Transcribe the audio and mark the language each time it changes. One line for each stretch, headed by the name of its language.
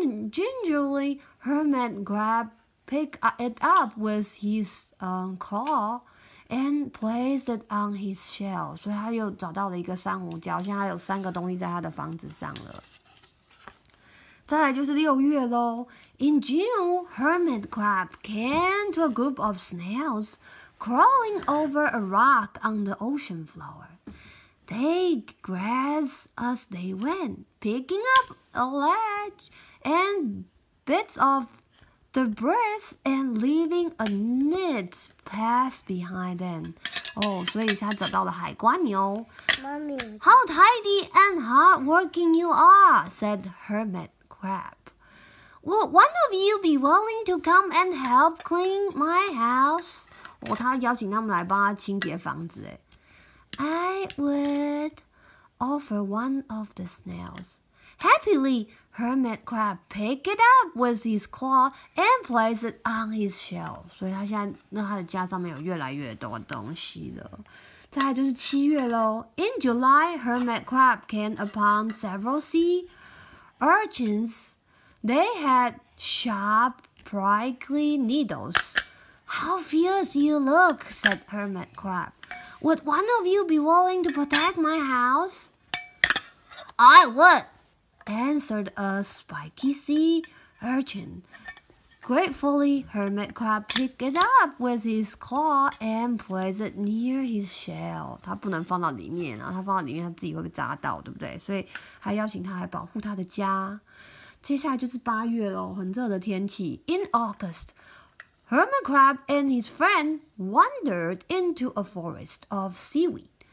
English: Gingerly, hermit crab picked it up with his claw and placed it on his shell.
Chinese: 所以他又找到了一个珊瑚礁，现在他有三个东西在他的房子上了。再来就是六月咯。
English: In June, hermit crab came to a group of snails crawling over a rock on the ocean floor. They grazed as they went, picking up a ledge and bits of debris and leaving a neat path behind them.
Chinese: 所以他找到了海瓜牛。
English: Mommy. How tidy and hardworking you are, said hermit. Crab. Would one of you be willing to come and help clean my house?
Chinese: 他邀请他们来帮他清洁房子。
English: I would, offer one of the snails. Happily, hermit crab picked it up with his claw and placed it on his shell.
Chinese: 所以他现在那他的家上面有越来越多东西了。再来就是七月咯。
English: In July, hermit crab came upon several sea. Urchins, they had sharp, prickly needles. How fierce you look, said Hermit Crab. Would one of you be willing to protect my house? I would, answered a spiky sea urchin. Gratefully, Hermit Crab picked it up with his claw and placed it near his shell.
Chinese: 他不能放到里面，然后他放到里面，他自己会被扎到，对不对？所以他邀请他来保护他的家。接下来就是八月了，很热的天气。
English: In August, Hermit Crab and his friend wandered into a forest of seaweed.